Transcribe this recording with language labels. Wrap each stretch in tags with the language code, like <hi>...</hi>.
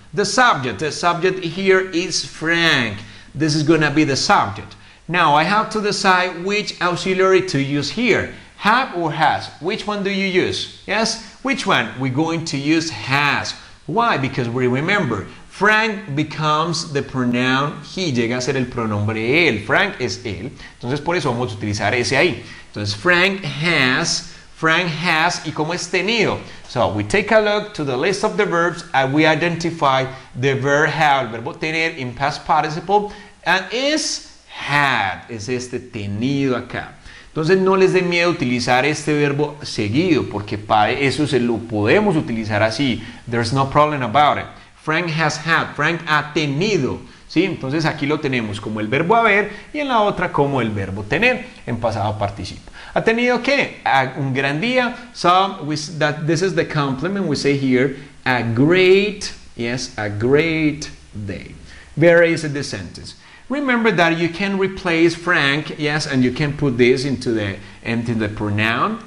<en>The subject here is Frank. This is going to be the subject. Now, I have to decide which auxiliary to use here. Have or has? Which one do you use? Yes? Which one? We're going to use has. Why? Because we remember, Frank becomes the pronoun he.</en> <es>Llega a ser el pronombre él. Frank es él. Entonces, por eso vamos a utilizar ese ahí. Entonces, Frank has, y como es tenido.</es> <en>So, we take a look to the list of the verbs and we identify the verb have, el verbo tener in past participle, and is had,</en> <es>es este tenido acá. Entonces, no les dé miedo utilizar este verbo seguido, porque para eso se lo podemos utilizar así.</es> <en>There's no problem about it. Frank has had,</en> <es>Frank ha tenido. ¿Sí? Entonces, aquí lo tenemos como el verbo haber y en la otra como el verbo tener en pasado participio. ¿Ha tenido qué? Un gran día.</es> <en>So, this is the compliment we say here. A great, yes, a great day. Very easy the sentence. Remember that you can replace Frank, yes, and you can put this into the pronoun.</en>